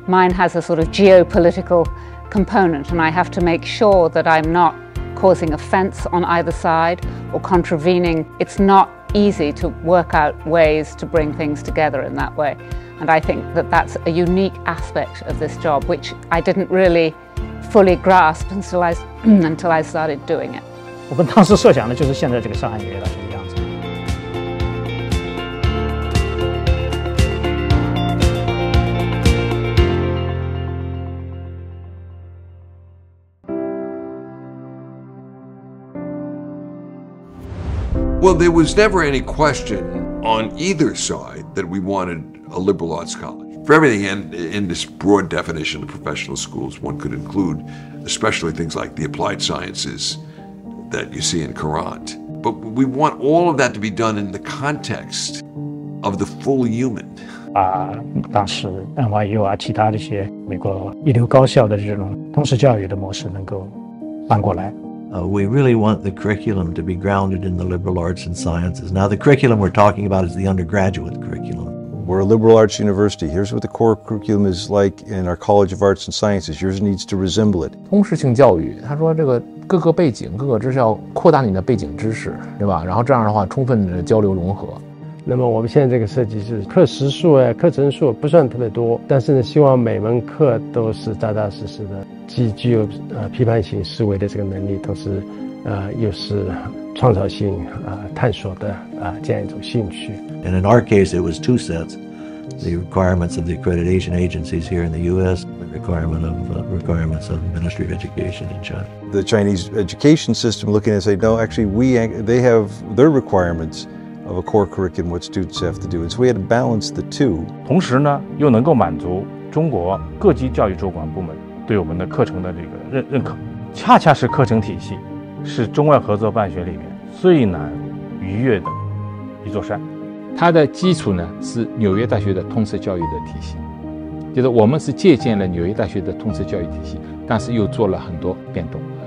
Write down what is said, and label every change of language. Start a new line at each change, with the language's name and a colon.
English: Mine has a sort of geopolitical component, and I have to make sure that I'm not causing offense on either side or contravening. It's not easy to work out ways to bring things together in that way. And I think that that's a unique aspect of this job, which I didn't really fully grasp until I started doing it.
Chinese: 我们当时设想的就是现在这个上海纽约大学。
English: Well, there was never any question on either side that we wanted a liberal arts college. For everything in this broad definition of professional schools, one could include especially things like the applied sciences that you see in Courant. But we want all of that to be done in the context of the full human.
Chinese: 当时 NYU 啊，其他这些美国一流高校的这种通识教育的模式能够搬过来。
English: We really want the curriculum to be grounded in the liberal arts and sciences. Now, the curriculum we're talking about is the undergraduate curriculum. We're a liberal arts university. Here's what the core curriculum is like in our College of Arts and Sciences. Yours needs to resemble it.
Chinese: 通识性教育，他说这个各个背景、各个知识要扩大你的背景知识，对吧？然后这样的话，充分的交流融合。那么我们现在这个设计是课时数啊，课程数不算特别多，但是呢，希望每门课都是扎扎实实的，既具有批判性思维的这个能力，同时，又是创造性探索的这样一种兴趣。
English: And in our case, it was two sets: the requirements of the accreditation agencies here in the U.S., the requirements of the Ministry of Education in China. The Chinese education system looking and say, no, actually, they have their requirements. Of a core curriculum, what students have to do, and so we had to balance the two.
Chinese: 同时呢，又能够满足中国各级教育主管部门对我们的课程的这个认可。恰恰是课程体系，是中外合作办学里面最难逾越的一座山。它的基础呢是纽约大学的通识教育的体系，就是我们是借鉴了纽约大学的通识教育体系，但是又做了很多变动。